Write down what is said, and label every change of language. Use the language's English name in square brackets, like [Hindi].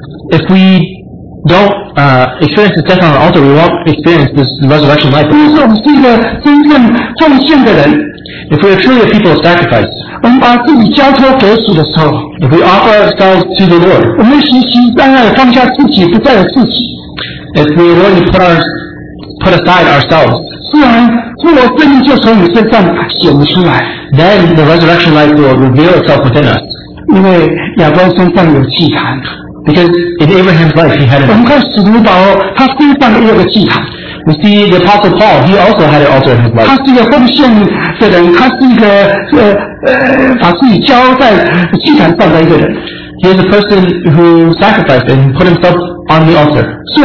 [English] If we don't experience the death on the altar, we won't experience this resurrection life. [Chinese] 若是我们是一个真正奉献的人。 [English] If we are truly a people of sacrifice, [Chinese] 我们把自己交托给主的时候, [English] if we offer ourselves to the Lord, [Chinese] 我们信心当然放下自己, [English] if we are willing to put aside ourselves, [Chinese] 自然复活生命就从我们身上显出来, [English] then the resurrection life will reveal itself within us. [Chinese] 因为亚伯身上有祭坛, [English] because in Abraham's life he had an altar. We see the Apostle Paul, he also had an altar in his life. [Chinese] 他是一个奉献的人，他是一个把自己交在祭坛上的一个人。 [English] He is a person who sacrificed and put himself on the altar.